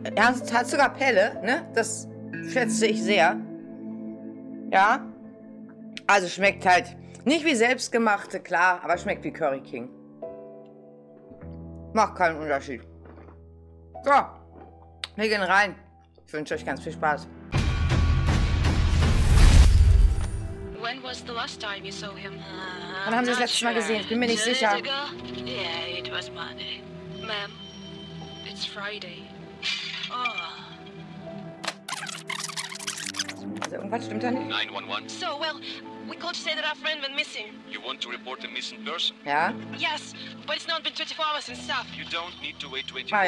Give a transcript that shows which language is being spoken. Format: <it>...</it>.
<de>hat sogar Pelle, ne? Das schätze ich sehr. Ja. Also schmeckt halt nicht wie selbstgemachte, klar, aber schmeckt wie Curry King. Macht keinen Unterschied. So, wir gehen rein. Ich wünsche euch ganz viel Spaß.</de> <en>When was the last time you saw him?</en> <de>Wann haben Sie das letzte Mal gesehen? Ich bin mir nicht sicher.</de> <en>Yeah, it was Monday. Ma'am, it's Friday. Oh.</en> <de>Also, irgendwas stimmt da nicht?</de> <en>911. So, well, we called to say that our friend went missing. You want to report a missing person?</en> <de>Ja.</de> <en>Yes, but it's not been 24 hours and stuff. You don't need to wait 24 hours.</en>